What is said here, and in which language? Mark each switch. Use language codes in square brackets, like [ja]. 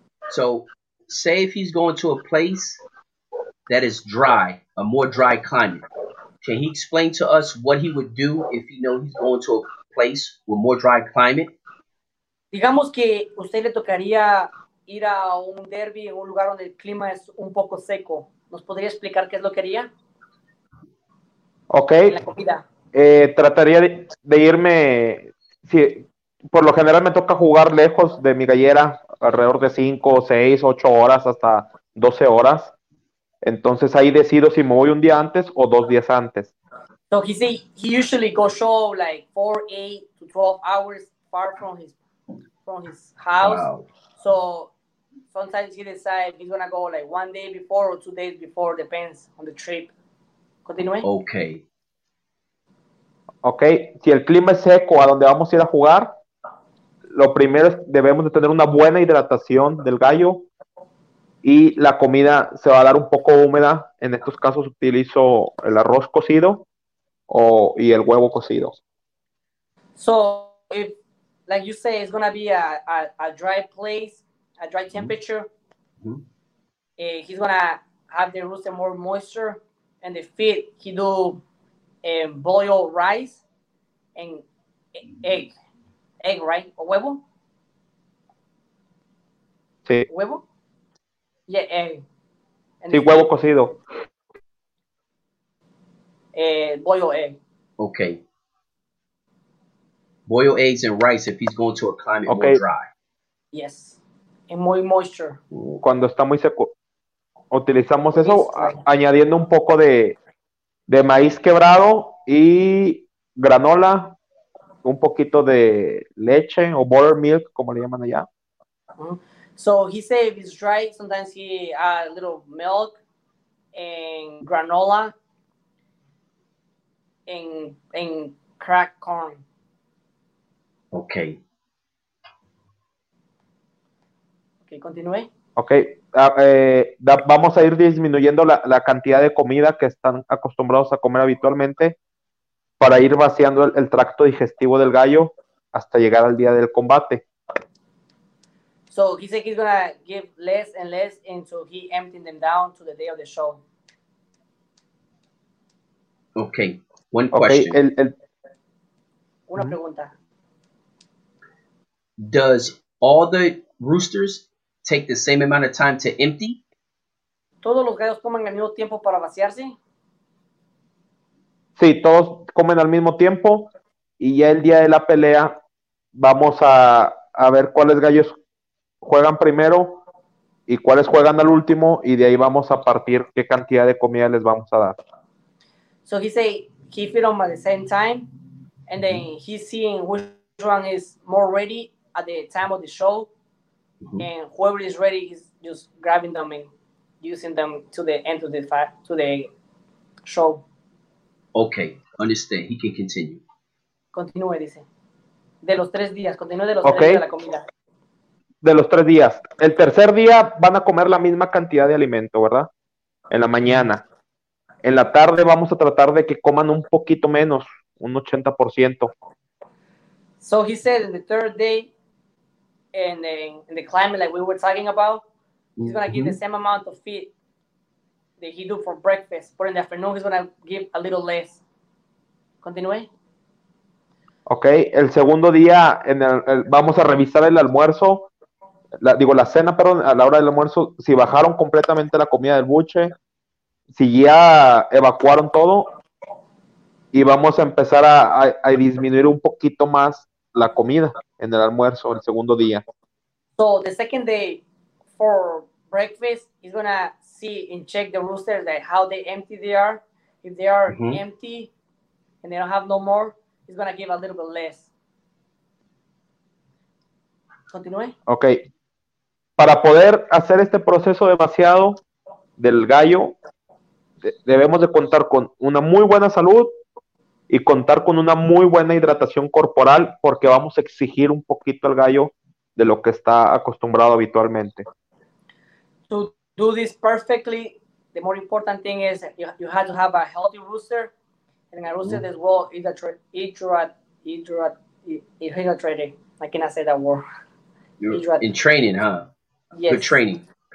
[en] So, say if he's going to a place that is dry, a more dry climate, can he explain to us what he would do if he knows he's going to a place with more dry climate? [es] Digamos que usted le tocaría ir a un derby en un lugar donde el clima es un poco seco. ¿Nos podría explicar qué es lo que haría? [en] Okay. [es] La comida. Trataría de irme... Sí. Por lo general me toca jugar lejos de mi gallera, alrededor de 5, 6, 8 horas hasta 12 horas. Entonces ahí decido si me voy un día antes o dos días antes. [en] So he say he usually go show like 4, 8 to 12 hours far from his house. Wow. So sometimes he decides he's gonna go like one day before or 2 days before, depends on the trip. Continue. Okay. Okay. [es] Si el clima es seco a donde vamos a ir a jugar, lo primero es debemos de tener una buena hidratación del gallo. Y la comida se va a dar un poco húmeda. En estos casos utilizo el arroz cocido y el huevo cocido. [en] So, if, like you say, it's going to be a dry place, a dry temperature. Mm-hmm. He's going to have the roots and more moisture. And the feet, he do boil rice and egg. Egg, right? [es] O huevo? Sí. Huevo? Yeah, sí, huevo cocido. [en] Boiled egg. Okay. Boiled eggs and rice if he's going to a climate okay. More dry. Yes. And muy moisture. [es] Cuando está muy seco. Utilizamos eso añadiendo un poco de maíz quebrado y granola, un poquito de leche o buttermilk, como le llaman allá. Mm-hmm. [en] So he said if it's dry, sometimes he add a little milk and granola and cracked corn. Okay. Okay, continue. Okay. [es] Vamos a ir disminuyendo la cantidad de comida que están acostumbrados a comer habitualmente para ir vaciando el tracto digestivo del gallo hasta llegar al día del combate. [en] So he said he's gonna give less and less until he emptying them down to the day of the show. Okay, one question. Okay, [es] Una pregunta. [en] Does all the roosters take the same amount of time to empty? [es] ¿Todos los gallos toman el mismo tiempo para vaciarse? Sí, todos comen al mismo tiempo y ya el día de la pelea vamos a ver cuáles gallos juegan primero y cuáles juegan al último y de ahí vamos a partir qué cantidad de comida les vamos a dar. [en] So he say he feed them at the same time and then he's seeing which one is more ready at the time of the show. Mm-hmm. And whoever is ready is just grabbing them and using them to the end of the to the show. Okay, understand. He can continue. [es] Continúe, dice. De los tres días, continúe de los okay. Tres días de la comida. De los tres días. El tercer día van a comer la misma cantidad de alimento, ¿verdad? En la mañana. En la tarde vamos a tratar de que coman un poquito menos, un 80%. [en] So he said in the third day, in the climate like we were talking about, he's going to give the same amount of feed that he do for breakfast, but in the afternoon he's going to give a little less. [es] Continúe. Okay, el segundo día en el vamos a revisar el almuerzo. La cena, perdón, a la hora del almuerzo, si bajaron completamente la comida del buche, si ya evacuaron todo, y vamos a empezar a disminuir un poquito más la comida en el almuerzo el segundo día. [en] So, the second day for breakfast, he's going to see and check the roosters, like how they empty they are. If they are empty and they don't have no more, he's going to give a little bit less. [es] Continúe. [en] Okay. [es] Para poder hacer este proceso de vaciado del gallo, debemos de contar con una muy buena salud y contar con una muy buena hidratación corporal porque vamos a exigir un poquito al gallo de lo que está acostumbrado habitualmente. [en] To do this perfectly, the more important thing is you have to have a healthy rooster and a rooster that's well hydrated. I cannot say that word. You're in training, huh? Yes. Good training.